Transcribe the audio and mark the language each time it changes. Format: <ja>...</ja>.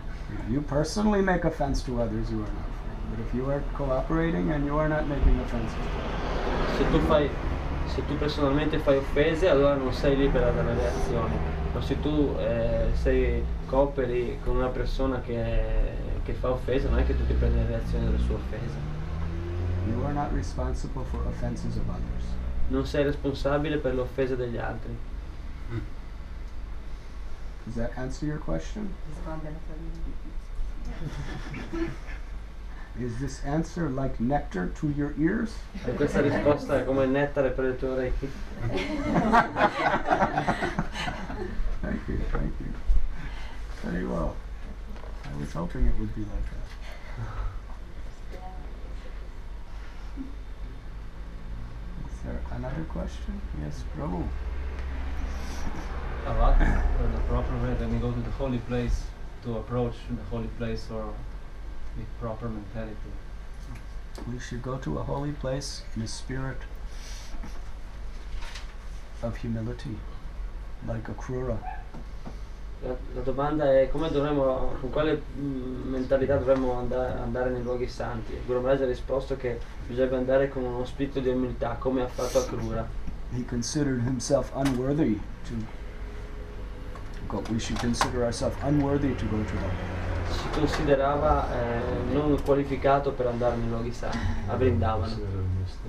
<en>If you personally make offense to others, you are not free. But if you are cooperating and you are not making offense to others.</en> <it>Se tu personalmente fai offese, allora non sei libera dalla reazione. Ma se tu cooperi con una persona che fa offesa, non è che tu ti prendi la reazione della sua offesa.</it> <en>You are not responsible for offenses of others.</en> <it>Non sei responsabile per l'offesa degli altri.</it> <en>Does that answer your question? Is this answer like nectar to your ears?</en> <it>E questa risposta è come nettare per le tue orecchie.</it> <en>Thank you, thank you. Very well. I was hoping it would be like that. Is there another question? Yes, Prabhu. About the proper way when you go to the holy place, to approach the holy place or with proper mentality. We should go to a holy place in a spirit of humility, like a Krura.</en> <it>La domanda è con quale mentalità dovremmo andare nei luoghi santi. Guru Maharaj ha risposto che bisogna andare con uno spirito di umiltà, come ha fatto a Krura.</it> <en>He considered himself unworthy to go. We should consider ourselves unworthy to go to that.</en> <it>Si considerava non qualificato per andare nei luoghi santi, a Vrindavan.</it>